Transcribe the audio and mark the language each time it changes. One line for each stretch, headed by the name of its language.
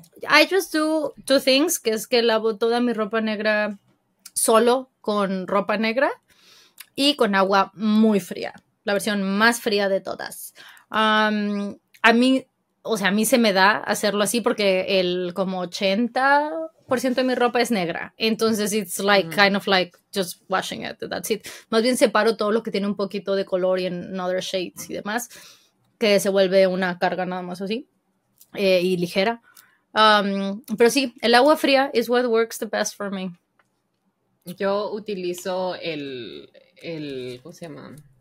English: I just do two things,
Spanish: que es que lavo toda mi ropa negra solo con ropa negra y con agua muy fría, la versión más fría de todas. A mí se me da hacerlo así porque el como 80% de mi ropa es negra. Entonces
English: it's like kind of like just washing it, that's it.
Spanish: Más bien separo todo lo que tiene un poquito de color y en
English: other shades
Spanish: y demás. Que se vuelve una carga nada más así, y ligera. Pero sí, el agua fría
English: is what works the best for me.
Spanish: Yo utilizo el ¿cómo se llama?